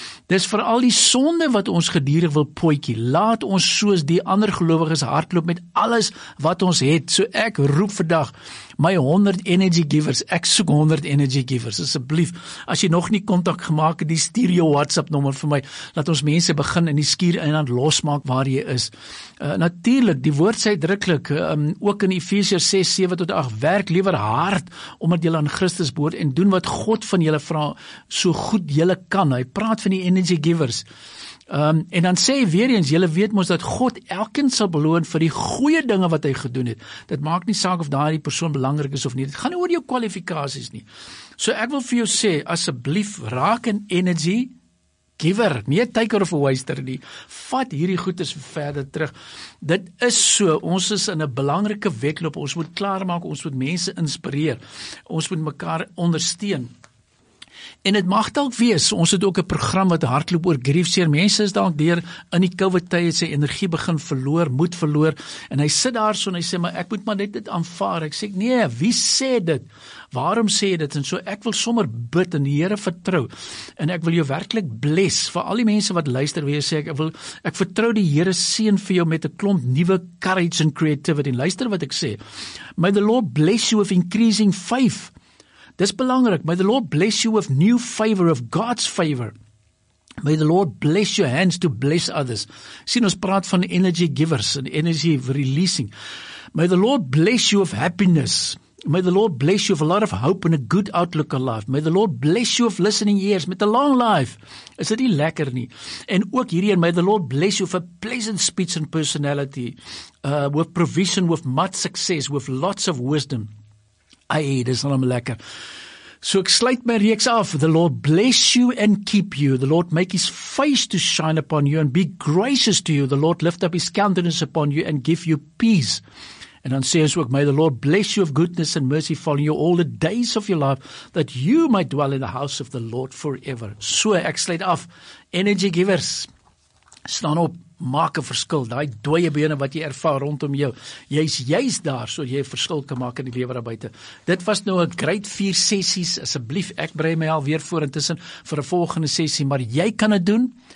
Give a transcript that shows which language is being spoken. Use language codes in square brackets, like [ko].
[af] Dis vir al die sonde wat ons gedurig wil pootjie. Laat ons soos die ander gelowiges hardloop met alles wat ons het. So ek roep vandag my 100 energy givers. Ek soek 100 energy givers. Asseblief, as jy nog nie kontak gemaak het, stuur jou WhatsApp nommer vir my. Laat ons mense begin in die skuur en dan losmaak waar jy is. Natuurlik, die woord sê uitdruklik, ook in Efesiërs 6, 7 tot 8, werk liewer hard omdat julle aan Christus behoort en doen wat God van julle vra so goed julle kan. Hy praat van die energy givers. En dan sê hy weer eens, julle weet mos dat God elkeen sal beloon vir die goeie dinge wat hy gedoen het. Dit maak nie saak of daardie persoon belangrik is of nie. Dit gaan nie oor jou kwalifikasies nie. So ek wil vir jou sê, asseblief raak 'n energy giver, nie 'n tyker of 'n waster nie. Vat hierdie goedes verder terug. Dit is so, ons is in 'n belangrike wedloop. Ons moet klaarmaak, ons moet mense inspireer. Ons moet mekaar ondersteun. En dit mag dalk wees, ons het ook 'n program wat hardloop oor griefseer. Mense is dalk deur in die COVID tye sy energie begin verloor, moed verloor en hy sit daar so en hy sê maar ek moet maar net dit aanvaar. Ek sê nee, wie sê dit? Waarom sê jy dit? En so ek wil sommer bid en die Here vertrou. En ek wil jou werklik bless vir al die mense wat luister, wie sê ek vertrou die Here seën vir jou met 'n klomp nuwe [en] courage and creativity. [af] En luister wat ek sê. [en] May the Lord bless you with increasing faith. [af] Dis belangrik. [en] May the Lord bless you with new favor, of God's favor. May the Lord bless your hands to bless others. [af] Sien, ons praat van energy givers en energy releasing. [en] May the Lord bless you with happiness. May the Lord bless you with a lot of hope and a good outlook on life. May the Lord bless you with listening ears, with a long life. [af] Is dit nie lekker nie? En ook hierdie, [en] may the Lord bless you with a pleasant speech and personality, with provision, with much success, with lots of wisdom. [af] Ai, dis nou lekker. So ek sluit my reeks af. [en] The Lord bless you and keep you. The Lord make his face to shine upon you and be gracious to you. The Lord lift up his countenance upon you and give you peace. [af] En dan sê ons ook, [en] may the Lord bless you of goodness and mercy following you all the days of your life, that you might dwell in the house of the Lord forever. [af] So ek sluit af. Energy givers, staan op. Maak 'n verskil, daai dooie bene wat jy ervaar rondom jou. Jy's juist daar so jy 'n verskil kan maak in die lewe daar buite. Dit was nou 'n great 4 sessies. Asseblief, ek brei my al weer vorentoe vir 'n volgende sessie, maar jy kan dit doen.